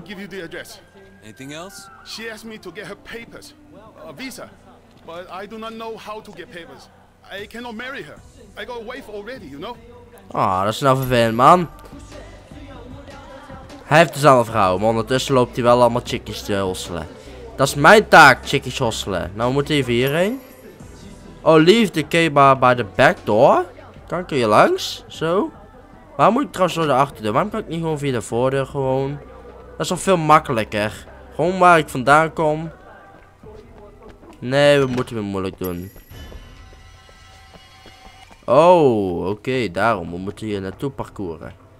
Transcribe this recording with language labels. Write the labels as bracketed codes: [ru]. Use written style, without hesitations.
[en] I'll give you the address. Anything else? She asked me to get her papers, a visa. But I do not know how to get papers. I cannot marry her. I got a wife already, you know? [nl] Dat is nou vervelend, man. Hij heeft dus al een vrouw, maar ondertussen loopt hij wel allemaal chickies te hosselen. Dat is mijn taak, chickies hosselen. Nou, we moeten even hierheen. [en] Oh, leave the keybar by the back door. [nl] Kan ik hier langs? Zo. Waarom moet ik trouwens door de achterdeur? Waarom kan ik niet gewoon via de voordeur gewoon? Dat is al veel makkelijker. Gewoon waar ik vandaan kom. Nee, we moeten het moeilijk doen. Oh, oké, daarom. We moeten hier naartoe parcouren.